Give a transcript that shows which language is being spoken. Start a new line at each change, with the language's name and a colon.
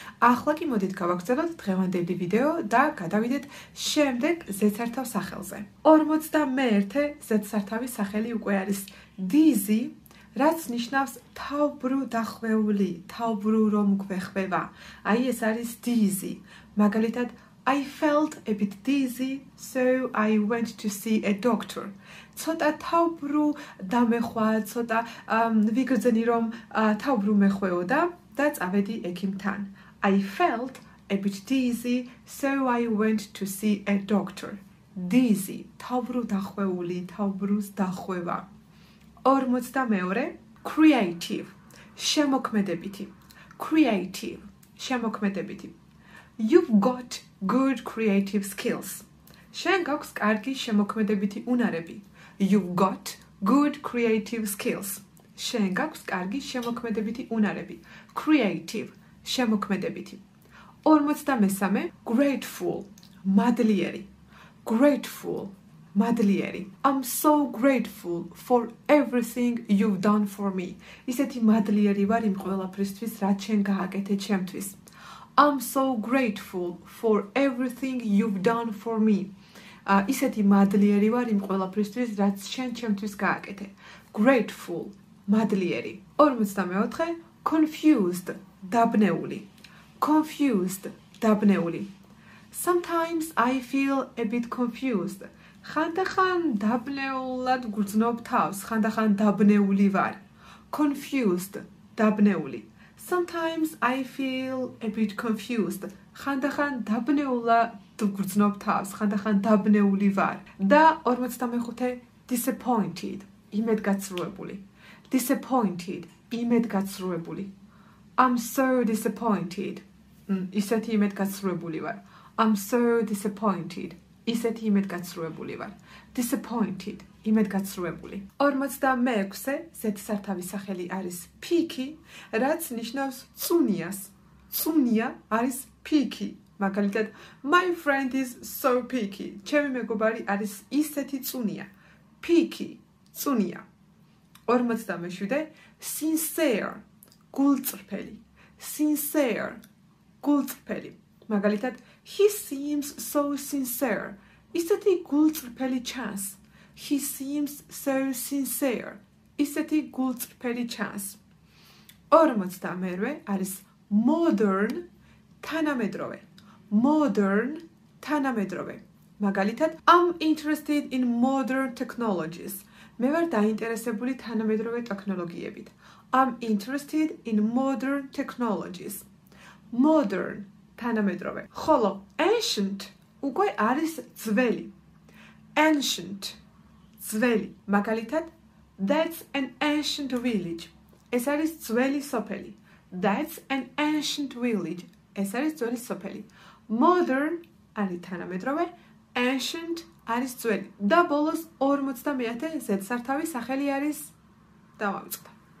Georgian: ახლა კი მოდით გავაგრძელოთ დღევანდელი ვიდეო და გადავიდეთ შემდეგ ზედსართავ სახელზე. 41-ე ზედსართავი სახელი უკვე არის დიზი, რაც ნიშნავს თავბრუ დახვეული, თავბრუ რომ გვეხვევა. აი ეს არის დიზი. მაგალითად,
English: I felt a bit dizzy, so I went to see a doctor.
Georgian: ცოტა თავბრუ დამეხვა, ცოტა ვიგრძენი რომ თავბრუ მეხვეოდა და წავედი ექიმთან.
English: I felt a bit dizzy, so I went to see a doctor.
Georgian: Dizzy, თავბრუ დახვეული, თავბრუს დახვევა. 42. Creative, შემოქმედებითი. Creative, შემოქმედებითი.
English: You've got good creative skills.
Georgian: შენ გაქვს კარგი შემოქმედებითი უნარები.
English: You've got good creative skills.
Georgian: შენ გაქვს კარგი შემოქმედებითი უნარები. Creative, შემოქმედებითი. 43. Grateful, მადლიერი. Grateful, მადლიერი.
English: I'm so grateful for everything you've done for me.
Georgian: ისეთი მადლიერი ვარ იმ ყველაფრისთვის, რაც შენ გააკეთე ჩემთვის.
English: I'm so grateful for everything you've done for me.
Georgian: ისეთი მადლიერი ვარ იმ ყველაფრისთვის, რაც შენ ჩემთვის გააკეთე. Grateful, მადლიერი. 44. Confused, დაბნეული. Confused, დაბნეული.
English: Sometimes I feel a bit confused.
Georgian: ხანდახან დაბნეულად გრძნობ თავს, ხანდახან დაბნეული ვარ. Confused, დაბნეული.
English: Sometimes I feel a bit confused.
Georgian: ხანდახან დაბნეულად გრძნობ თავს, ხანდახან დაბნეული ვარ. და 45. Disappointed, იმედგაცრუებული.
English: Disappointed, იმედგაცრუებული. I'm so disappointed.
Georgian: ისეთი იმედგაცრუებული ვარ.
English: I'm so disappointed.
Georgian: ისეთი იმედგაცრუებული ვარ. Disappointed. იმედგაცრუებული. 46-ე ზედსართავი სახელი არის ფიქი, რაც ნიშნავს წუნიას. წუნია არის ფიქი. მაგალითად,
English: My friend is so picky.
Georgian: ჩემი მეგობარი არის ისეთი წუნია. ფიქი, წუნია. 47-ე sincere. გულწრფელი. Sincere. გულწრფელი. მაგალითად,
English: He seems so sincere.
Georgian: ისეთი გულწრფელი ჩანს.
English: He seems so sincere.
Georgian: ისეთი გულწრფელი ჩანს. 48-ე არის modern, თანამედროვე. Modern, თანამედროვე. მაგალითად,
English: I'm interested in modern technologies.
Georgian: მე ვარ დაინტერესებული თანამედროვე ტექნოლოგიებით.
English: I'm interested in modern technologies.
Georgian: Modern, თანამედროვე. ხოლო ancient უკვე არის ძველი. Ancient, ძველი. მაგალითად,
English: that's an ancient village.
Georgian: ეს არის ძველი სოფელი.
English: That's an ancient village.
Georgian: ეს არის ძველი სოფელი. Modern არის თანამედროვე, ancient არის ძველი. და ბოლოს 50-ე ზედსართავი სახელი არის დავამწყდა.